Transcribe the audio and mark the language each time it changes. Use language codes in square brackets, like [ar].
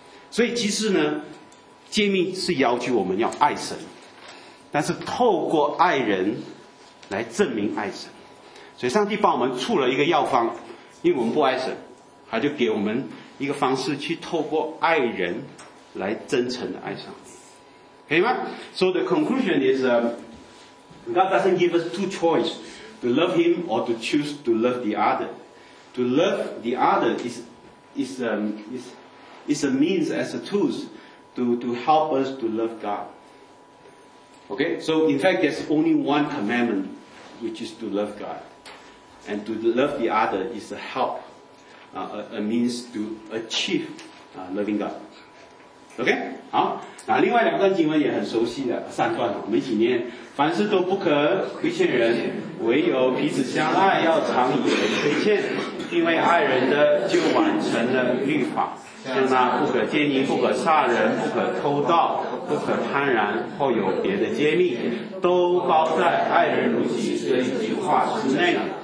[zh] 所以其实呢诫命是要求我们要爱神，但是透过爱人来证明爱神。所以上帝帮我们出了一个药方，因为我们不爱神，他就给我们一个方式去透过爱人来真诚的爱上帝，可以吗？ [en] So the conclusion is God doesn't give us two choice to love him or to choose to love the other. To love the other is a means as a tool to help us to love God. Okay, so in fact there's only one commandment, which is to love God. And to love the other is a help, a means to achieve loving God. [zh] Okay, 好，那另外两段经文也很熟悉的三段，我们一起念，凡事都不可亏欠人，唯有彼此相爱要常以为亏欠，因为爱人的就完成了律法。像那不可奸淫，不可杀人，不可偷盗，不可贪婪，或有别的诫命，都包在爱人如己这一句话之内。